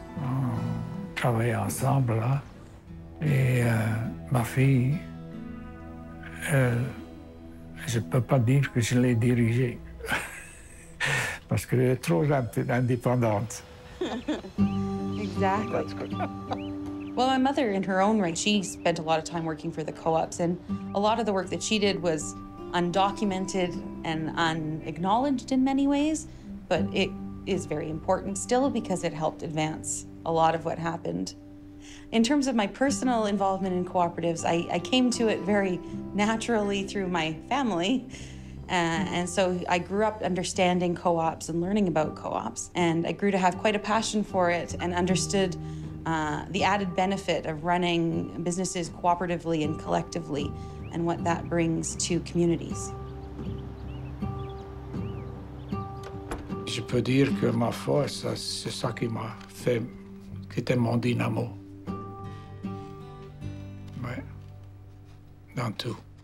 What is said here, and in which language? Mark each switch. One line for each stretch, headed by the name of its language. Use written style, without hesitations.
French: On travaillait ensemble là. Et ma fille, je ne peux pas dire que je l'ai dirigée parce qu'elle est trop indépendante.
English: Exactly. Well, my mother, in her own right, she spent a lot of time working for the co-ops, and a lot of the work that she did was undocumented and unacknowledged in many ways, but it is very important still because it helped advance a lot of what happened. In terms of my personal involvement in cooperatives, I came to it very naturally through my family. And so I grew up understanding co-ops and learning about co-ops, and I grew to have quite a passion for it and understood the added benefit of running businesses cooperatively and collectively, and what that brings to communities.
French: Je peux dire que ma force, c'est ça qui m'a fait, qui était mon dynamo. Ouais. Dans tout.